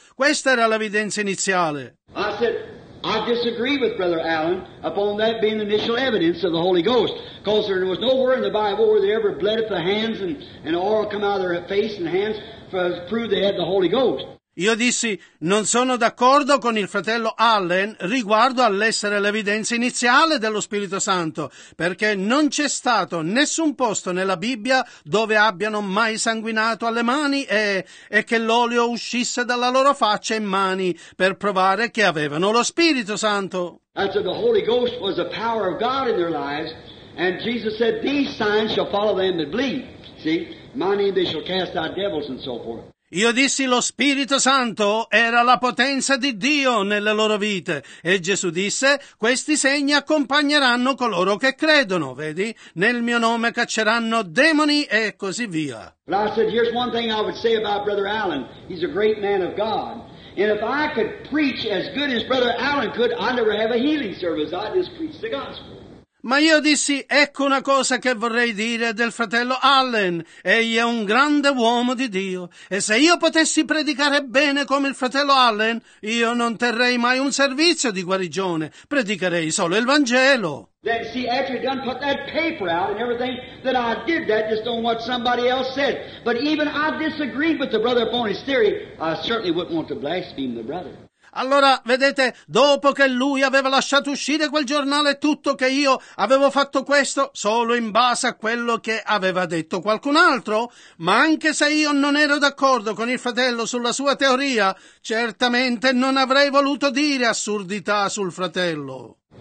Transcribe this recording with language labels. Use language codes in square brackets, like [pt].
[it] Questa era l'evidenza iniziale. [en] I said, I disagree with Brother Allen upon that being the initial evidence of the Holy Ghost, because there was nowhere in the Bible where they ever bled at the hands and oil come out of their face and hands to prove they had the Holy Ghost. [it] Io dissi, non sono d'accordo con il fratello Allen riguardo all'essere l'evidenza iniziale dello Spirito Santo, perché non c'è stato nessun posto nella Bibbia dove abbiano mai sanguinato alle mani e che l'olio uscisse dalla loro faccia e mani per provare che avevano lo Spirito Santo. [en] And so the Holy Ghost was the power of God in their lives, and Jesus said, these signs shall follow them that believe. See, my name they shall cast out devils and so forth. [it] Io dissi, lo Spirito Santo era la potenza di Dio nelle loro vite. E Gesù disse, questi segni accompagneranno coloro che credono, vedi? Nel mio nome cacceranno demoni e così via. [en] But I said, here's one thing I would say about Brother Allen. He's a great man of God. And if I could preach as good as Brother Allen could, I'd never have a healing service. I'd just preach the gospel. [it] Ma io dissi, ecco una cosa che vorrei dire del fratello Allen. Egli è un grande uomo di Dio. E se io potessi predicare bene come il fratello Allen, io non terrei mai un servizio di guarigione. Predicherei solo il Vangelo. [en] Then she actually done put that paper out and everything that I did that just on what somebody else said. But even I disagreed with the brother upon his theory, I certainly wouldn't want to blaspheme the brother. [it] Allora, vedete, dopo che lui aveva lasciato uscire quel giornale tutto che io avevo fatto questo solo in base a quello che aveva detto qualcun altro, ma anche se io non ero d'accordo con il fratello sulla sua teoria, certamente non avrei voluto dire assurdità sul fratello.